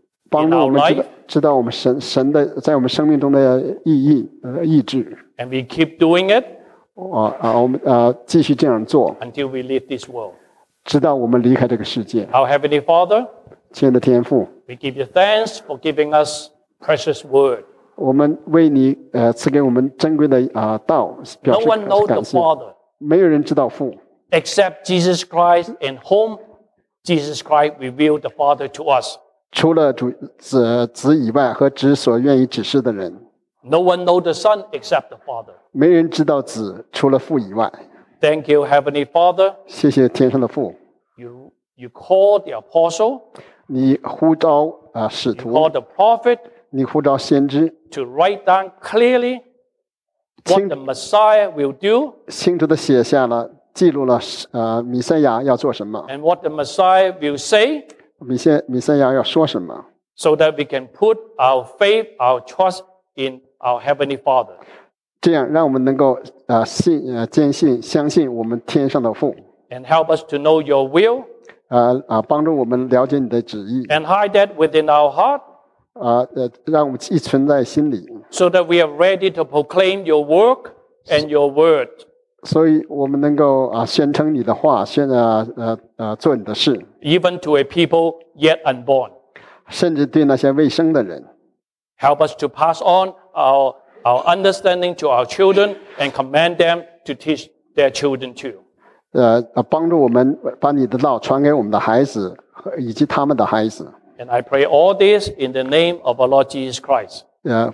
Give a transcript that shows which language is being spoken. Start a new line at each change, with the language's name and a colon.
Chinese: 帮助我们知道我们神的在我们生命中的意义意志。
English: And we keep doing it.
Chinese: 我们继续这样做。
English: Until we leave this world.
Chinese: 直到我们离开这个世界。
English: Our Heavenly Father.
Chinese: 亲爱的天父。
English: We give you thanks for giving us precious word.
Chinese: 我们为你赐给我们珍贵的道表示感谢。
English: No one knows the Father.
Chinese: 没有人知道父。
English: Except Jesus Christ and whom Jesus Christ revealed the Father to us.
Chinese: 除了主子以外和子所愿意指示的人。
English: No one knows the Son except the Father.
Chinese: 没人知道子，除了父以外。
English: Thank you, Heavenly Father.
Chinese: 谢谢天上的父。
English: You call the apostle.
Chinese: 你呼召啊使徒。
English: You call the prophet.
Chinese: 你呼召先知。
English: To write down clearly what the Messiah will do.
Chinese: 清楚地写下了，记录了弥赛亚要做什么。
English: And what the Messiah will say.
Chinese: 弥赛亚要说什么。
English: So that we can put our faith, our trust in our Heavenly Father.
Chinese: 这样让我们能够坚信相信我们天上的父。
English: And help us to know your will.
Chinese: 帮助我们了解你的旨意。
English: And hide that within our heart.
Chinese: 让我们寄存在心里。
English: So that we are ready to proclaim your work and your word.
Chinese: 所以我们能够宣称你的话，做你的事。
English: Even to a people yet unborn.
Chinese: 甚至对那些未生的人。
English: Help us to pass on our understanding to our children and command them to teach their children too.
Chinese: 帮助我们把你的道传给我们的孩子以及他们的孩子。
English: And I pray all this in the name of our Lord Jesus Christ.